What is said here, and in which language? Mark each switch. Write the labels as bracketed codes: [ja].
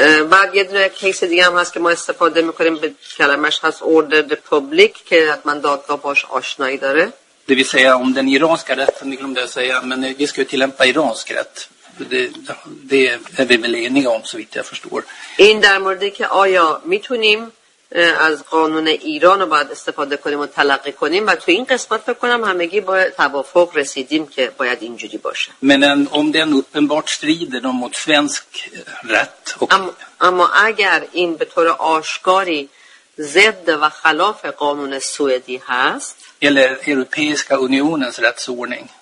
[fa] بعد یه دونه کیس دیگه هم هست که ما استفاده میکنیم به کلمش هست [en] order the public [fa] که حتما دادگاه باش آشنایی داره. [sv] Det vill säga om den iranska rätten, det glömde jag säga, men vi ska ju tillämpa iransk rätt. Det är vi väl eniga om så vitt jag förstår. [fa] این در موردی که آیا میتونیم از قانون ایران رو باید استفاده کنیم و تلقی کنیم و تو این قسمت بکنم همگی با توافق رسیدیم که باید اینجوری باشه. [sv] Men om den uppenbart strider mot svensk rätt och... [fa] اما اگر این به طور آشکاری ضد و خلاف قانون سوئدی هست [sv] eller Europeiska unionens rättsordning